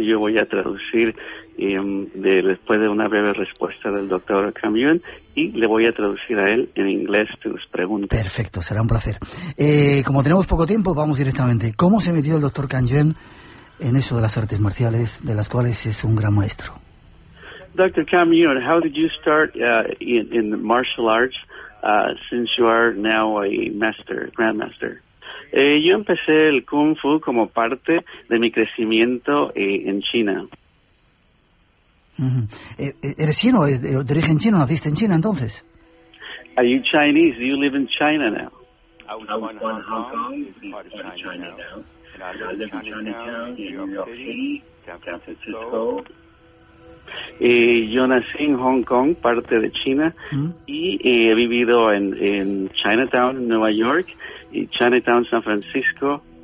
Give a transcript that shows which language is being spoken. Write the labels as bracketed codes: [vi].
[es] Yo voy a traducir después de una breve respuesta del doctor Can Yuen, y le voy a traducir a él en inglés tus preguntas. Perfecto, será un placer. Como tenemos poco tiempo, vamos directamente. ¿Cómo se metió el doctor Can Yuen en eso de las artes marciales, de las cuales es un gran maestro? [en] Dr. Can Yuen, how did you start in martial arts since you are now a master, grandmaster? [es] Yo empecé el Kung Fu como parte de mi crecimiento en China. Uh-huh. ¿Eres chino? ¿De origen chino? ¿Naciste en China entonces? [en] Are you Chinese? Do you live in China now? [es] Yo nací en Hong Kong, parte de China, y he vivido en Chinatown, Nueva York, y Chinatown, San Francisco.